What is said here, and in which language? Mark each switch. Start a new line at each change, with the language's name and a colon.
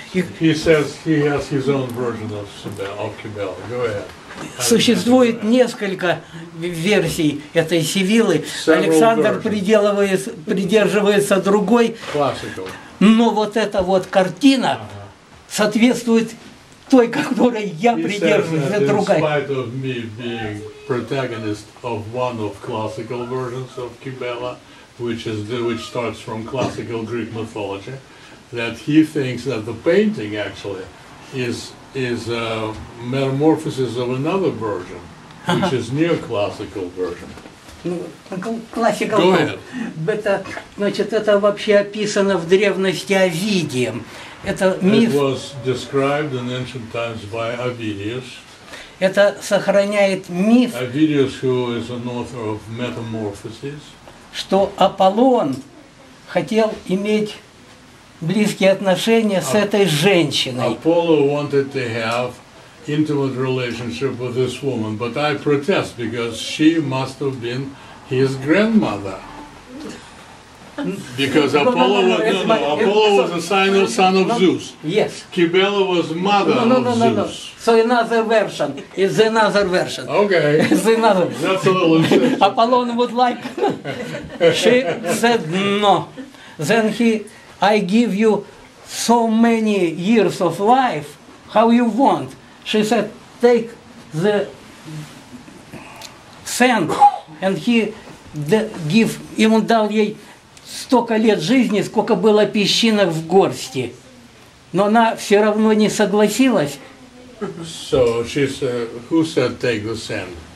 English: He says he has his own version of Кибелла. Go ahead.
Russian: Существует несколько версий этой Сивиллы. Александр придерживается другой.
English: Classical.
Russian: Но вот эта вот картина соответствует той, которой я придерживаюсь, это другая.
English: In spite of me being protagonist of one of classical versions of Кибелла, which starts from classical Greek mythology, that he thinks that the painting actually is a metamorphosis of another version, which is neoclassical version.
Russian: Ну, классика. Это, значит, это вообще описано в древности Овидием. Это миф.
English: It was described in ancient times by Ovidius.
Russian: Это сохраняет миф.
English: Ovidius, who is an author of Metamorphoses.
Russian: Что Аполлон хотел иметь близкие отношения с этой женщиной.
English: Apollo wanted to have intimate relationship with this woman, but I protest because she must have been his grandmother. Because Apollo was a son of Zeus. Yes. Cybele was mother of Zeus. So another version. It's another version. Okay. It's another. That's a little insane. Apollo would like. She said no. Then he. I give you so many years of life, how you want. She said, take the sand, and he give,
Russian: ему дал ей столько лет жизни, сколько было песчинок в горсти. Но она все равно не согласилась.
English: So she said, who said take the sand?